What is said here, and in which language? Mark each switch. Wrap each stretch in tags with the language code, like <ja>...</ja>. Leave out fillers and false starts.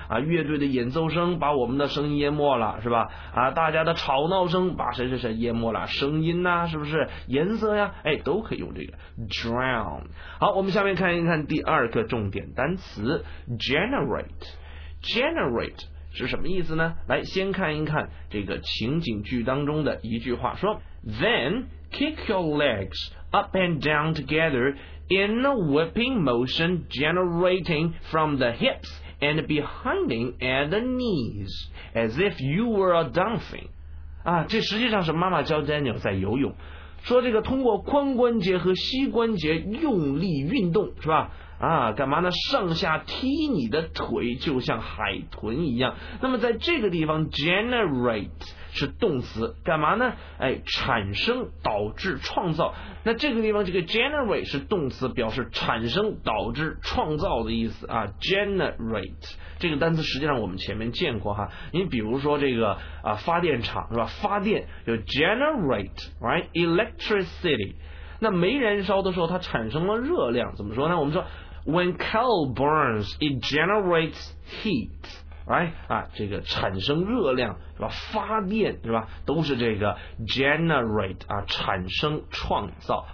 <zh>啊乐队的演奏声把我们的声音淹没了是吧？啊大家的吵闹声把谁谁谁淹没了，声音呐、啊、是不是？颜色呀，哎都可以用这个 drown。好，我们下面看一看第二个重点单词 generate。是什么意思呢？来先看一看这个情景剧当中的一句话，说</zh> <en>Then kick your legs up and down together in a whipping motion generating from the hips and behind and the knees as if you were a dolphin</en> <zh>啊，这实际上是妈妈教 Daniel 在游泳，说这个通过髋关节和膝关节用力运动是吧，啊，干嘛呢？上下踢你的腿，就像海豚一样。那么在这个地方 ，generate 是动词，干嘛呢？哎，产生、导致、创造。那这个地方这个 generate 是动词，表示产生、导致、创造的意思啊。 generate 这个单词实际上我们前面见过哈。你比如说这个啊，发电厂是吧？发电就</zh> <en>generate right electricity。</en> <zh>那煤燃烧的时候它产生了热量，怎么说呢？我们说</zh> <en>when coal burns it generates heat right</en> <zh>啊，这个产生热量是吧，发电是吧，都是这个 generate 啊，产生创造。</zh>